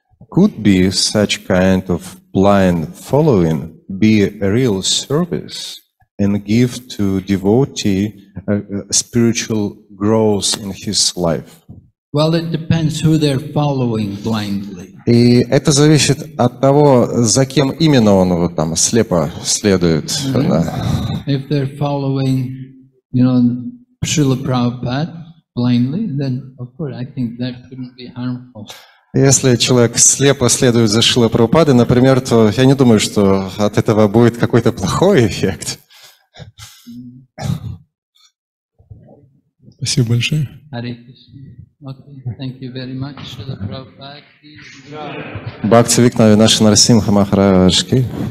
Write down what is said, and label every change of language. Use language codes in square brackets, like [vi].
[en] Could be such kind of blind following be a real service and give to devotee a spiritual growth in his life? Well, it depends who they're following blindly. [ru] И это зависит от того, за кем именно он вот там слепо следует. Mm-hmm. Да. [en] If they're following, you know, Srila Prabhupada blindly, then of course I think that couldn't be harmful. [ru] Если человек слепо следует за Шрилой Прабхупадой, например, то я не думаю, что от этого будет какой-то плохой эффект. Спасибо большое. Бхакти Викнави Наши Нарсимха Махарадж Ки.